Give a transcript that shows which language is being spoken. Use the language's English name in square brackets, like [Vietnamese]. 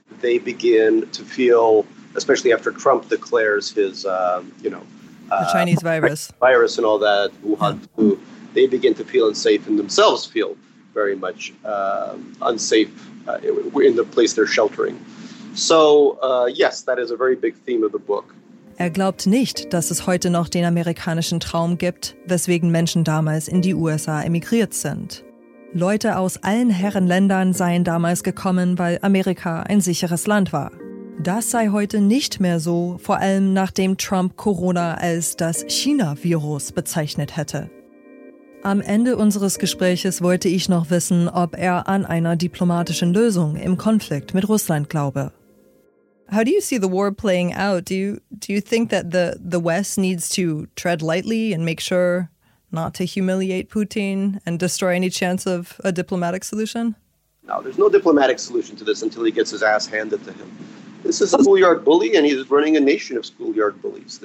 [English] they begin to feel, especially after Trump declares his, the Chinese virus. Virus and all that, Wuhan flu, they begin to feel unsafe and themselves feel very much unsafe in the place they're sheltering. So, yes, that is a very big theme of the book. [German] Er glaubt nicht, dass es heute noch den amerikanischen Traum gibt, weswegen Menschen damals in die USA emigriert sind. Leute aus allen Herren Ländern seien damals gekommen, weil Amerika ein sicheres Land war. Das sei heute nicht mehr so, vor allem nachdem Trump Corona als das China-Virus bezeichnet hätte. Am Ende unseres Gespräches wollte ich noch wissen, ob er an einer diplomatischen Lösung im Konflikt mit Russland glaube. [English] How do you see the war playing out? Do you think that the West needs to tread lightly and make sure not to humiliate Putin and destroy any chance of a diplomatic solution? No, there's no diplomatic solution to this until he gets his ass handed to him. This is a schoolyard bully, and he's running a nation of schoolyard bullies.